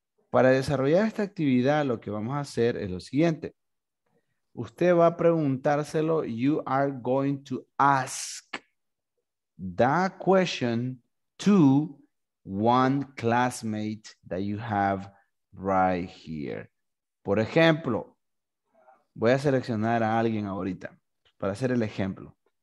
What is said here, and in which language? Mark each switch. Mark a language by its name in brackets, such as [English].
[Spanish] Para desarrollar esta actividad, lo que vamos a hacer es lo siguiente. Usted va a preguntárselo, [English] you are going to ask that question to one classmate that you have right here. [Spanish] Por ejemplo, voy a seleccionar a alguien ahorita para hacer el ejemplo.